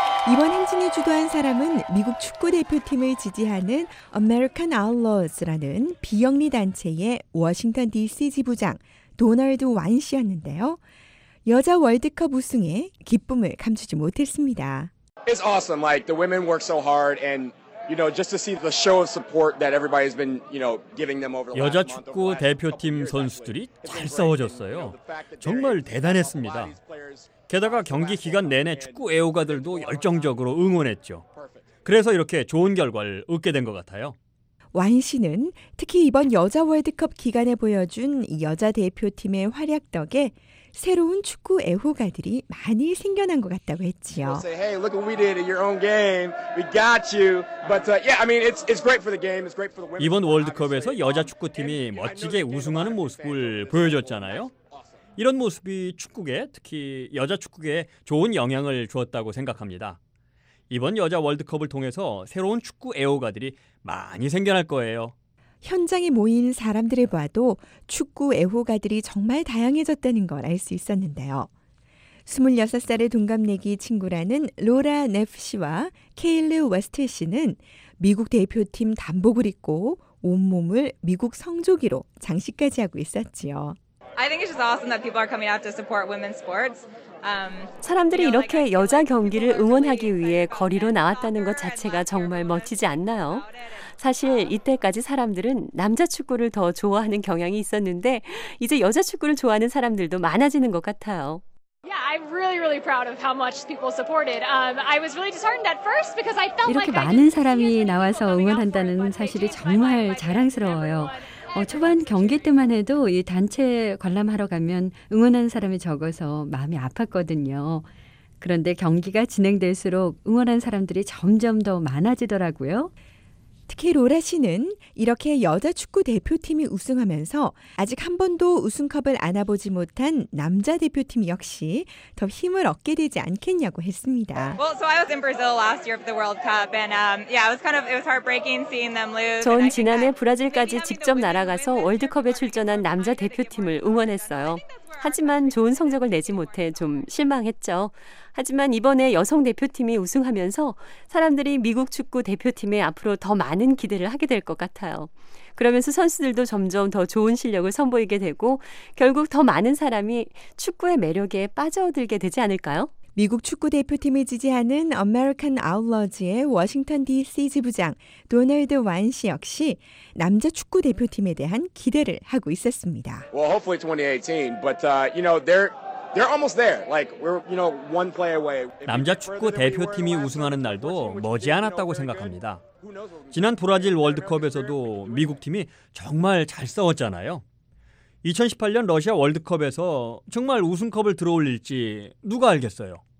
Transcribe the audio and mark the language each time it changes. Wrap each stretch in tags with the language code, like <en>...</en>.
<ko>이번 행진에 주도한 사람은 미국 축구대표팀을 지지하는 American Outlaws라는 비영리 단체의 워싱턴 DC 지부장 도널드 완 씨였는데요. 여자 월드컵 우승에 기쁨을 감추지 못했습니다.</ko> <en>It's awesome. Like the women work so hard and you know just to see the show of support that everybody's been, you know, giving them over the last</en> <ko>여자 축구 대표팀 선수들이 잘 싸워줬어요. 정말 대단했습니다. 게다가 경기 기간 내내 축구 애호가들도 열정적으로 응원했죠. 그래서 이렇게 좋은 결과를 얻게 된 것 같아요. 완 씨는 특히 이번 여자 월드컵 기간에 보여준 여자 대표팀의 활약 덕에 새로운 축구 애호가들이 많이 생겨난 것 같다고 했지요.</ko> <en>Say, hey, look what we did in your own game. We got you. But yeah, I mean, it's great for the game. It's great for the women.</en> <ko>이번 월드컵에서 여자 축구팀이 멋지게 우승하는 모습을 보여줬잖아요. 이런 모습이 축구계, 특히 여자 축구계에 좋은 영향을 주었다고 생각합니다. 이번 여자 월드컵을 통해서 새로운 축구 애호가들이 많이 생겨날 거예요. 현장에 모인 사람들을 봐도 축구 애호가들이 정말 다양해졌다는 걸 알 수 있었는데요. 26살의 동갑내기 친구라는 로라 네프 씨와 케일르 웨스트 씨는 미국 대표팀 단복을 입고 온몸을 미국 성조기로 장식까지 하고 있었지요.</ko> <en>I think it's just awesome that people are coming out to support women's sports.</en> <ko>사람들이 이렇게 여자 경기를 응원하기 위해 거리로 나왔다는 것 자체가 정말 멋지지 않나요? 사실 이때까지 사람들은 남자 축구를 더 좋아하는 경향이 있었는데 이제 여자 축구를 좋아하는 사람들도 많아지는 것 같아요.</ko> <en>Yeah, I'm really, really proud of how much people supported. I was really disheartened at first because I felt like</en> <ko>이렇게 많은 사람이 나와서 응원한다는 사실이 정말 자랑스러워요. 초반 경기 때만 해도 이 단체 관람하러 가면 응원하는 사람이 적어서 마음이 아팠거든요. 그런데 경기가 진행될수록 응원하는 사람들이 점점 더 많아지더라고요. 특히 로라 씨는 이렇게 여자 축구 대표팀이 우승하면서 아직 한 번도 우승컵을 안아보지 못한 남자 대표팀 역시 더 힘을 얻게 되지 않겠냐고 했습니다.</ko> <en>Well, so I was in Brazil last year for the World Cup and yeah, it was heartbreaking seeing them lose.</en> <ko>전 지난해 브라질까지 직접 날아가서 월드컵에 출전한 남자 대표팀을 응원했어요. 하지만 좋은 성적을 내지 못해 좀 실망했죠. 하지만 이번에 여성 대표팀이 우승하면서 사람들이 미국 축구 대표팀에 앞으로 더 많은 기대를 하게 될 것 같아요. 그러면서 선수들도 점점 더 좋은 실력을 선보이게 되고 결국 더 많은 사람이 축구의 매력에 빠져들게 되지 않을까요? 미국 축구 대표팀을 지지하는 아메리칸 아울러즈의 워싱턴 DC 지부장 도널드 완 씨 역시 남자 축구 대표팀에 대한 기대를 하고 있었습니다.</ko> <en>Well, hopefully 2018, but you know, they're almost there. Like we're, you know, one play away.</en> <ko>남자 축구 대표팀이 우승하는 날도 머지않았다고 생각합니다. 지난 브라질 월드컵에서도 미국 팀이 정말 잘 싸웠잖아요. 2018년 러시아 월드컵에서 정말 우승컵을 들어올릴지 누가 알겠어요.</ko>